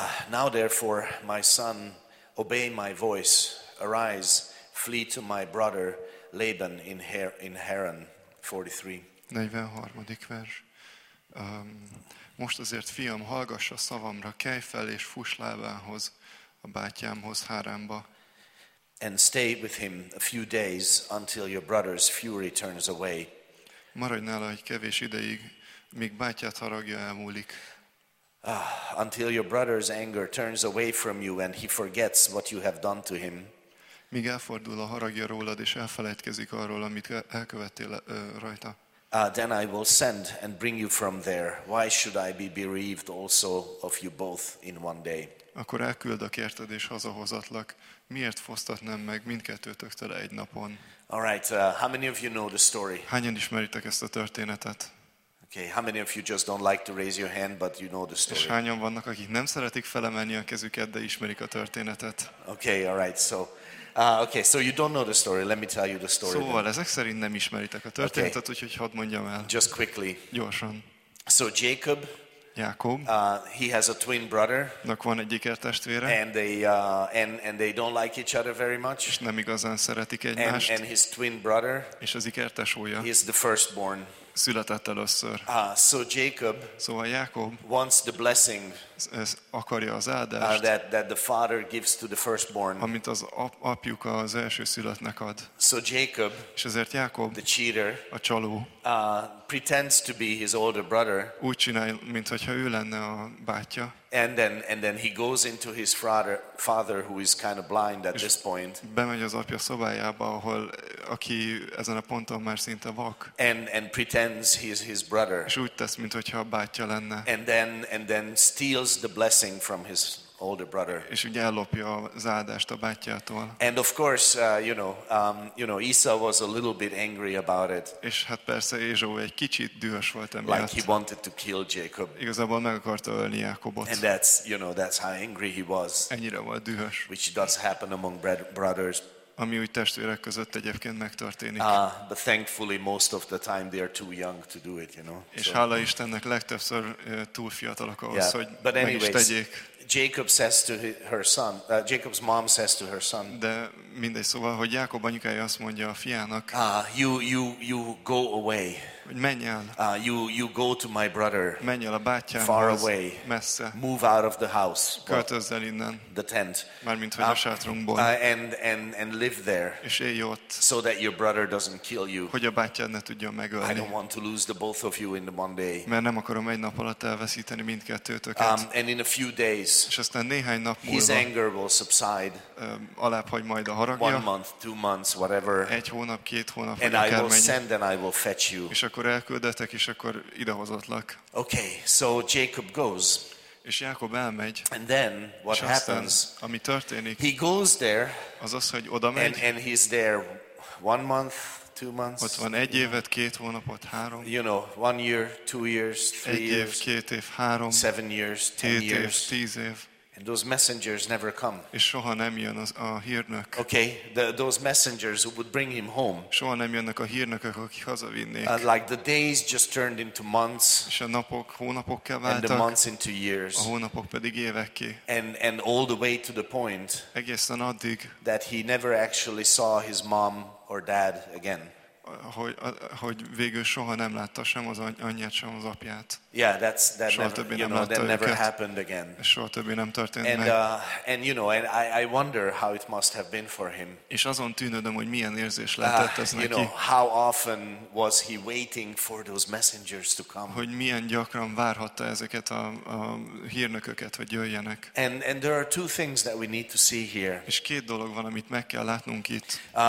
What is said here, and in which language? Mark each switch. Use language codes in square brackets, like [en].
[en] Now therefore, my son, obey my voice, arise, flee to my brother Laban in Haran. [hu] 43. vers. Most azért, fiam, hallgass a szavamra, kelj fel és fuss Lábánhoz, a bátyámhoz, Háránba. [en] And stay with him a few days until your brother's fury turns away. [hu] Maradj nála egy kevés ideig, míg bátyát haragja elmúlik. [en] Until your brother's anger turns away from you and he forgets what you have done to him. [hu] Míg elfordul a haragja rólad és elfelejtkezik arról, amit elkövettél rajta. [en] Then I will send and bring you from there. Why should I be bereaved also of you both in one day? [hu] Akkor elküldök érted és hazahozatlak. Miért fosztatnám meg mindkettőtöktől egy napon? [en] All right, how many of you know the story? [hu] Hányan ismeritek ezt a történetet? [en] Okay, how many of you just don't like to raise your hand, but you know the story? [hu] És hányan vannak, akik nem szeretik felemelni a kezüket, de ismerik a történetet? [en] Okay, all right. So you don't know the story. Let me tell you the story. [hu] Szóval ezek szerint nem ismeritek a történetet, úgyhogy hadd mondjam el. [en] Just quickly. [hu] Gyorsan. [en] So Jacob. [hu] Jákob. [en] He has a twin brother. [hu] Nak van egy ikertestvére. [en] And they don't like each other very much. [hu] És nem igazán szeretik egymást. [en] And his twin brother. [hu] És az ikertesója. [en] He is the firstborn. [hu] Született először. [en] So Jacob. [hu] Szóval Jákob. [en] Wants the blessing. [hu] Ez akarja az áldást. [en] That the father gives to the firstborn. [hu] Amit az apjuk az első születnek ad. [en] So Jacob. [hu] És ezért Jákob. [en] The cheater. [hu] A csaló. [en] Pretends to be his older brother. [hu] Úgy csinál, mint hogyha ő lenne a bátyja. [en] And then he goes into his father who is kind of blind at this point. [hu] Bemegy az apja szobájába, ahol aki ezen a ponton már szinte vak. [en] And pretends he's his brother. [hu] És úgy tesz, mint hogyha a bátyja lenne. [en] And then steals the blessing from his older brother. [hu] És ugye ellopja az áldást a bátyjától. [en] And of course, you know, Esau was a little bit angry about it. [hu] És hát persze Ézsó egy kicsit dühös volt emiatt. [en] Like he wanted to kill Jacob. [hu] Igazából meg akarta ölni Jákobot. [en] And that's, you know, that's how angry he was. [hu] Ennyire volt dühös. [en] Which does happen among brothers. [hu] Ami úgy testvérek között egyébként megtörténik. [en] But thankfully most of the time they are too young to do it, you know. [hu] És hála Istennek legtöbbször túl fiatalok ahhoz, yeah, hogy [en] but anyways, [hu] meg is tegyék. [en] Jacob says to her son. Jacob's mom says to her son. [hu] De mindegy, szóval, hogy Jákob anyukája azt mondja a fiának. [en] You go away. [hu] Menj el. [en] You go to my brother. [hu] Menj el a bátyámhoz. [en] Far away. [hu] Messze. [en] Move out of the house. [hu] Költözz el innen. [en] The tent. [hu] Mármint hogy a sátrunkból. [en] And live there. [hu] És élj ott. [en] So that your brother doesn't kill you. [hu] Hogy a bátyád ne tudjon megölni. [en] I don't want to lose the both of you in the one day. [hu] Mert nem akarom egy nap alatt elveszíteni mindkettőtöket. [en] And in a few days. days. [hu] És aztán néhány nap múlva. [en] His anger will subside. [hu] Aláphagy majd a haragja. [en] One month, two months, whatever. [hu] Egy hónap, két hónap, [en] and I will send and I will fetch you. [hu] És akkor elküldetek, és akkor idehozatlak. [en] Okay, so Jacob goes. [hu] És Jákob elmegy. [en] And then what [hu] aztán, [en] happens? [hu] Ami történik. [en] He goes there. [hu] Az az, hogy oda megy. [en] And he's there one month, two months. [hu] Ott van egy évet, két hónapot, három. [en] You know, one year, two years, three [hu] egy év, két év, három. [en] Seven years, ten years. [hu] Hét év, tíz év. [en] And those messengers never come. [hu] És soha nem jön az a hírnök. [en] Okay, the, those messengers who would bring him home. [hu] Soha nem jönnek a hírnökök, akik hazavinnék. [en] Like the days just turned into months. [hu] És a napok hónapokká váltak. [en] And the months into years. [hu] A hónapok pedig évekké. [en] And all the way to the point. [hu] Egészen addig. [en] That he never actually saw his mom or dad again. [hu] Hogy végül soha nem látta sem az anyját, sem az apját. [en] Yeah, that's that [hu] soha [en] never, you know, that never happened again. [hu] Soha többé nem történt meg. [en] And you know, and I wonder how it must have been for him. [hu] És azon tűnődöm, hogy milyen érzés lehetett ez neki. [en] You know, how often was he waiting for those messengers to come? [hu] Hogy milyen gyakran várhatta ezeket a hírnököket, hogy jöjjenek. [en] And there are two things that we need to see here. [hu] És két dolog van, amit meg kell látnunk itt.